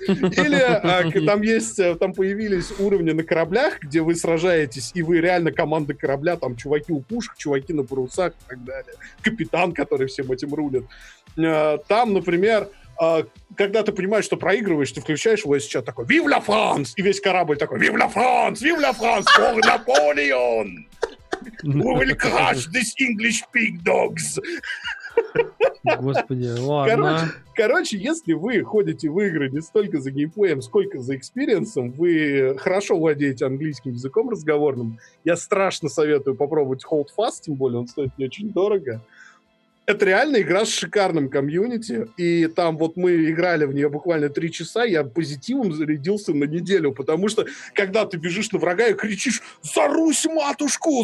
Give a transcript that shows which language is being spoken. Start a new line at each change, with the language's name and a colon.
Russian: Или там есть, там появились уровни на кораблях, где вы сражаетесь, и вы реально команда корабля, там чуваки у пушек, чуваки на парусах и так далее. Капитан, который всем этим рулит. Там, например, когда ты понимаешь, что проигрываешь, ты включаешь его сейчас такой
French: «Вив ля Франс!»
Russian: И весь корабль такой
French: «Вив ля Франс! Вив ля Франс! Пор Наполеон!»
English: We will crush these English pig dogs.
Russian: Господи, ладно. Короче, если вы ходите в игры не столько за геймплеем, сколько за экспириенсом, вы хорошо владеете английским языком разговорным, я страшно советую попробовать Hold Fast, тем более он стоит не очень дорого. Это реально игра с шикарным комьюнити, и там вот мы играли в нее буквально 3 часа, я позитивом зарядился на неделю, потому что когда ты бежишь на врага и кричишь «За Русь-матушку!